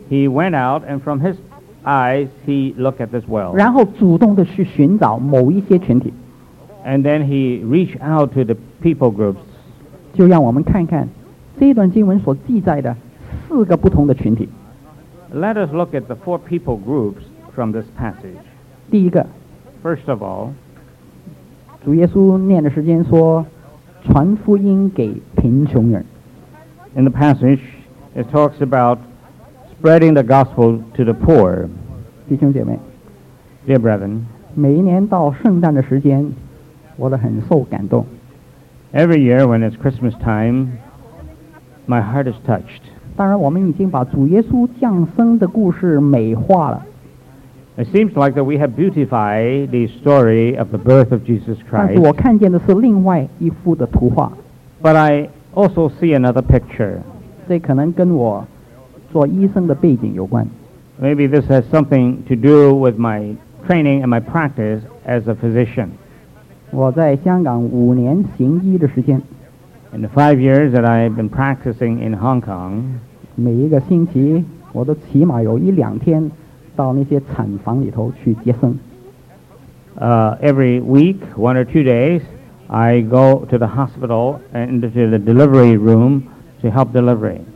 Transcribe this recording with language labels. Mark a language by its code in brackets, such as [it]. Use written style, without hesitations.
[en] He went out and from his eyes he looked at this world. [zh] 然后主动地去寻找某一些群体。 [en] And then he reached out to the people groups. [zh] 就让我们看看这段经文所记载的四个不同的群体。 [en] Let us look at the four people groups from this passage. [zh] 第一个 [en] First of all, [zh] 主耶稣念的时间说传福音给贫穷人。 [en] In the passage, it talks about spreading the gospel to the poor. [zh] 弟兄姐妹 [en] Dear brethren, [zh] 每一年到圣诞的时间我都很受感动。 [en] Every year when it's Christmas time, my heart is touched. [zh] 当然我们已经把主耶稣降生的故事美化了。 [en] It seems like that we have beautified the story of the birth of Jesus Christ. [zh] 但是我看见的是另外一幅的图画。 [en] But I also see another picture. [zh] 这可能跟我做医生的背景有关。 [en] Maybe this has something to do with my training and my practice as a physician. [zh] 我在香港五年行医的时间。 [en] In the 5 years that I've been practicing in Hong Kong, [zh] 每一个星期我都起码有一两天到那些产房里头去接生。 [en] Every week, 1 or 2 days, I go to the hospital and to the delivery room to help delivery.